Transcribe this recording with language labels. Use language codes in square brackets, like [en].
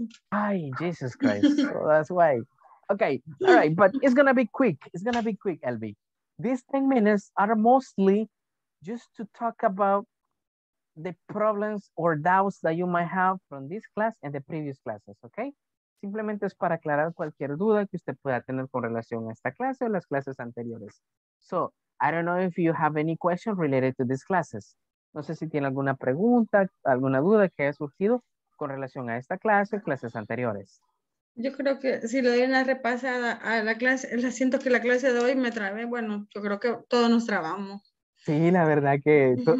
[en] Ay, Jesus Christ. Well, that's why. Okay. All right. But it's going to be quick. It's going to be quick, LB. These 10 minutes are mostly just to talk about the problems or doubts that you might have from this class and the previous classes. Okay. [es] Simplemente es para aclarar cualquier duda que usted pueda tener con relación a esta clase o las clases anteriores. [en] So, I don't know if you have any questions related to these classes. [es] No sé si tiene alguna pregunta, alguna duda que haya surgido con relación a esta clase, clases anteriores. Yo creo que si le doy una repasada a la clase, la siento que la clase de hoy me trabé. Bueno, yo creo que todos nos trabamos. Sí, la verdad que